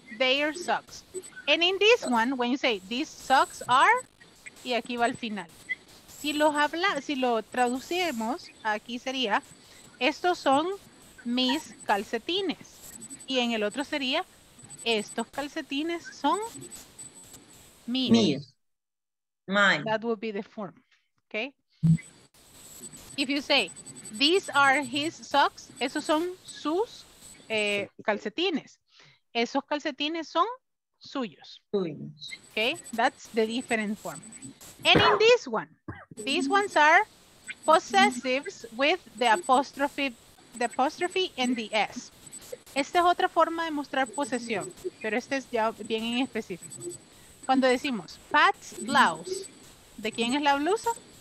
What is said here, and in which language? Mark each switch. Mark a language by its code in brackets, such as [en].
[en] Their socks. And in this one, when you say, these socks are, [es] y aquí va al final. Si lo habla, si lo traducimos, aquí sería, estos son mis calcetines. Y en el otro sería, estos calcetines son mis. [en] Mine. That would be the form. Okay? If you say, these are his socks, [es] esos son sus calcetines. Esos calcetines son suyos. [en] Okay, that's the different form. And in this one, these ones are possessives with the apostrophe and the S. [es] Esta es otra forma de mostrar posesión, pero este es ya bien en específico. Cuando decimos [en] Pat's blouse, [es] ¿de quién es la blusa?